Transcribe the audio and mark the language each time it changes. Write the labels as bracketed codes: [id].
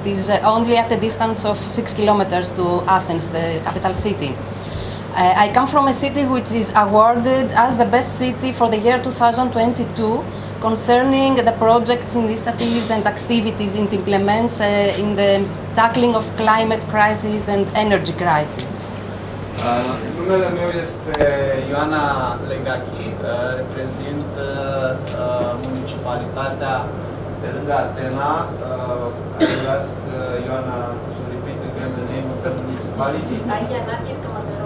[en] It is only at a distance of 6 kilometers to Athens, the capital city. I come from a city which is awarded as the best city for the year 2022 concerning the projects, initiatives and activities it implements in the tackling of climate crisis and energy crisis. [ro] Numele meu este Ioana Legachi, reprezint municipalitatea de lângă Atena. [en] I will ask Ioana to repeat again the name of the municipality.